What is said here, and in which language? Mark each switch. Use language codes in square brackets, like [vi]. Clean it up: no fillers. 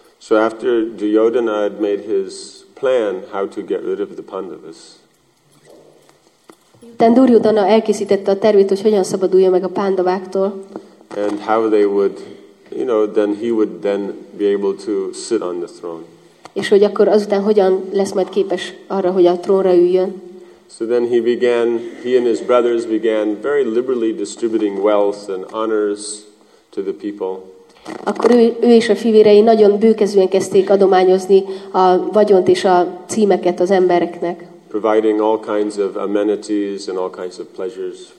[en] So after Duryodhana had made his plan how to get rid of the Pandavas, [hu] then Duryodhana elkészítette a tervét, hogy hogyan szabadulja meg a Pándaváktól. [en] And how they would, you know, then he would then be able to sit on the throne. [hu] És hogy akkor azután hogyan lesz majd képes arra, hogy a trónra üljön. [en] So then he and his brothers began very liberally distributing wealth and honors to the people. [hu] Akkor ő és a fivérei nagyon bőkezűen kezdték adományozni a vagyont és a címeket az embereknek. [en] Providing all kinds of amenities and all kinds of pleasures.